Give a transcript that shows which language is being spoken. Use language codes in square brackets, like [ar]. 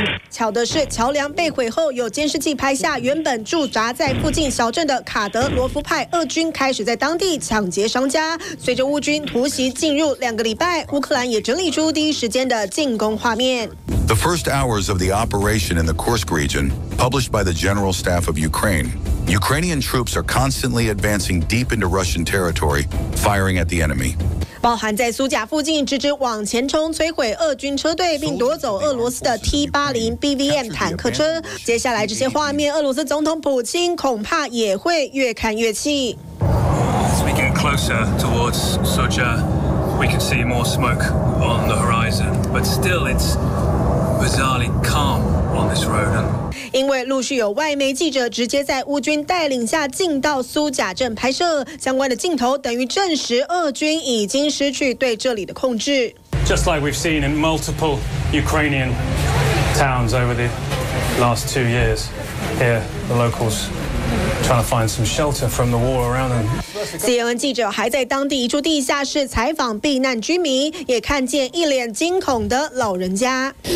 [zh] 巧的是，桥梁被毁后，有监视器拍下原本驻扎在附近小镇的卡德罗夫派俄军开始在当地抢劫商家。随着乌军突袭进入两个礼拜，乌克兰也整理出第一时间的进攻画面。 [en] The first hours of the operation in the Kursk region, published by the General Staff of Ukraine, Ukrainian troops are constantly advancing deep into Russian territory, firing at the enemy. [zh] 包含在苏甲附近直直往前冲，摧毁俄军车队，并夺走俄罗斯的 T80 BVM 坦克车。接下来这些画面，俄罗斯总统普京恐怕也会越看越气。 [en] As we get closer towards Sochi, we can see more smoke on the horizon, but still it's bizarrely calm on this road. [zh] 因为陆续有外媒记者直接在乌军带领下进到苏甲镇拍摄相关的镜头，等于证实俄军已经失去对这里的控制。 [en] Just like we've seen in multiple Ukrainian towns over the last two years, here the locals trying to find some shelter from the war around them. [zh] CNN 记者还在当地一处地下室采访避难居民，也看见一脸惊恐的老人家。